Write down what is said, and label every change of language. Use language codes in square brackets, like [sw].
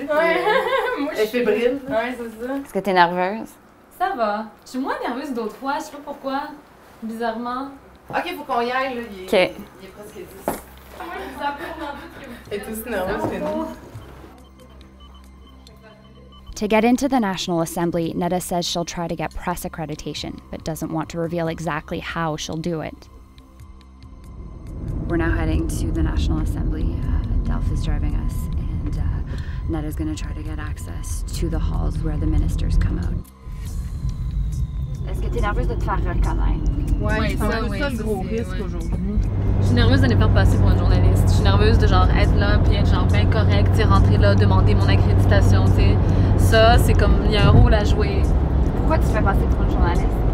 [fr] Ouais. Moi, je suis fébrile. Ouais, c'est ça. Est-ce que t'es nerveuse? Ça va. Je suis moins nerveuse d'autres fois, je sais pas pourquoi. Bizarrement. Ok, faut qu'on y aille, là. Ok. Il est presque 10. Moi, je vous en prie, on en doute que vous. Elle est aussi nerveuse que nous. [en] To get into the National Assembly, Netta says she'll try to get press accreditation, but doesn't want to reveal exactly how she'll do it. We're now heading to the National Assembly. Delph is driving us, and Netta's gonna try to get access to the halls where the ministers come out. [fr] Est-ce que t'es nerveuse de te faire reconnaître? Ouais, c'est ça, ça, oui, le gros risque, ouais, aujourd'hui. Je suis nerveuse de ne pas passer pour une journaliste. Je suis nerveuse de genre être là, puis être genre bien correct, t'sais, rentrer là, demander mon accréditation, t'sais. Ça, c'est comme, il y a un rôle à jouer. Pourquoi tu fais passer pour une journaliste?